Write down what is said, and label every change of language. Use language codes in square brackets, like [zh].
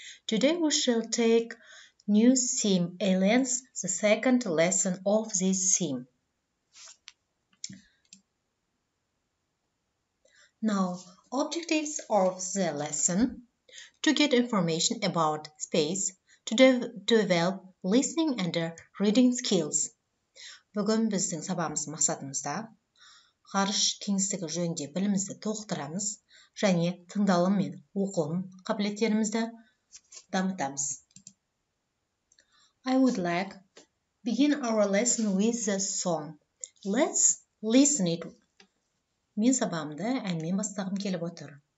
[en] Today we shall take new theme aliens, the second lesson of this theme. Now, objectives of the lesson: to get information about space, to develop listening and reading skills. [kk] Бүгін біздің сабағымыз мақсатымызда ғарыш кеңістігі жөнінде білімімізді толықтырамыз және тыңдалым мен оқылым қабілеттерімізді дамытамыз. [en] I would like begin our lesson with a song. Let's listen it. [kk] Мен сабағымды әнмен бастағым келіп отыр.